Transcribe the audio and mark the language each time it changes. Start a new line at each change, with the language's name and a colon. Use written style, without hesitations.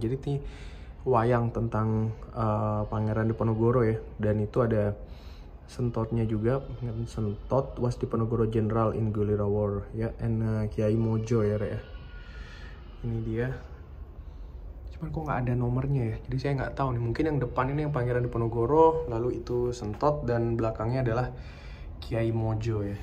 Indonesian: Jadi ini wayang tentang Pangeran Diponegoro ya. Dan itu ada sentotnya juga.
English: Sentot was Diponegoro General in Gulira War ya.
Indonesian: And Kiai Mojo ya, Re. Ini dia. Kok nggak ada nomornya ya, jadi saya nggak tahu nih, mungkin yang depan ini yang Pangeran Diponegoro, lalu itu Sentot, dan belakangnya adalah Kiai Mojo ya.